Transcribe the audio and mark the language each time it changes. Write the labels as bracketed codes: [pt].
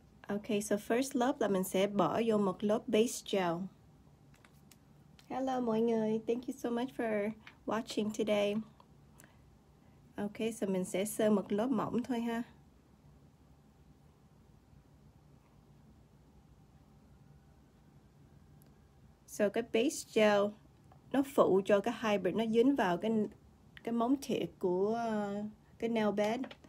[vi] Okay, so first lớp là mình sẽ bỏ vô một lớp base gel. [en] Hello [vi] mọi người, [en] thank you so much for watching today. [vi] Okay, so mình sẽ sơ một lớp mỏng thôi ha. So cái base gel nó phụ cho cái hybrid, nó dính vào cái móng thiệt của cái nail bed.